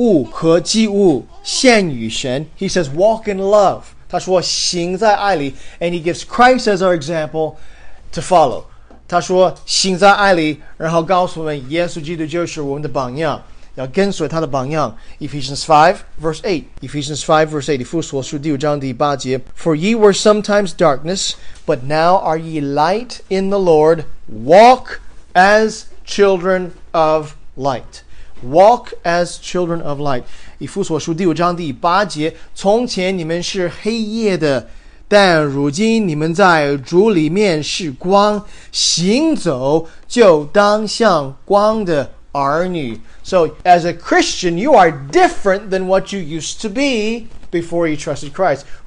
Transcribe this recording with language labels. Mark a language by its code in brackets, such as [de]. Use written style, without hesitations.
[zh] 以弗所书第五章第二节,行在爱里,正如基督爱我们,为我们舍了自己,当作馨香的供物和祭物,献与神. [en] He says, walk in love. [zh] 他说,行在爱里, [en] and he gives Christ as our example to follow. [zh] 他说,行在爱里,然后告诉我们,耶稣基督就是我们的榜样,要跟随他的榜样. [en] Ephesians 5, verse 8, [zh] 以弗所书第五章第八节, [en] For ye were sometimes darkness, but now are ye light in the Lord. Walk as children of light. Walk as children of light. [zh] 以弗所书第五章第八节,从前你们是黑夜的, 但如今你们在主里面是光,行走就当像光的儿女. [en] So, as a Christian, you are different than what you used to be before you trusted Christ.